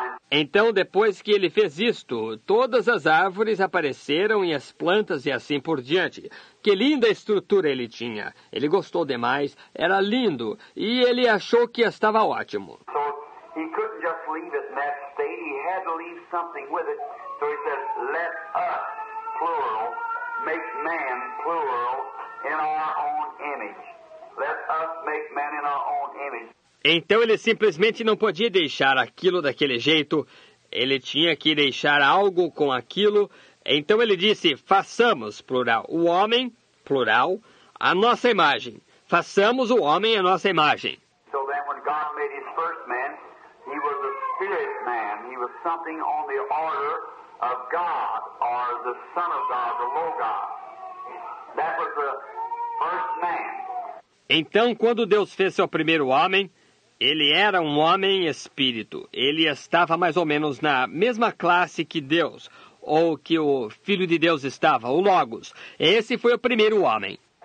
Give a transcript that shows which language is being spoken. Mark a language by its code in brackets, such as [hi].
[pt] Então, depois que ele fez isto, todas as árvores apareceram e as plantas e assim por diante. Que linda estrutura ele tinha. Ele gostou demais, era lindo e ele achou que estava ótimo. Então, ele não podia apenas deixar em esse estado, ele tinha que deixar algo com ele. [en] So he says, let us, plural, make man, plural, in our own image. Let us make man in our own image. [pt] Então ele simplesmente não podia deixar aquilo daquele jeito. Ele tinha que deixar algo com aquilo. Então ele disse, façamos, plural, o homem, plural, a nossa imagem. Façamos o homem a nossa imagem. [en] So then when God made his first man, he was a spirit man. He was something on the order of God, or the Son of God, the Logos. That was the first man. [pt] Então, quando Deus fez seu primeiro homem, ele era um homem espírito. Ele estava mais ou menos na mesma classe que Deus, ou que o Filho de Deus estava, o Logos. Esse foi o primeiro homem.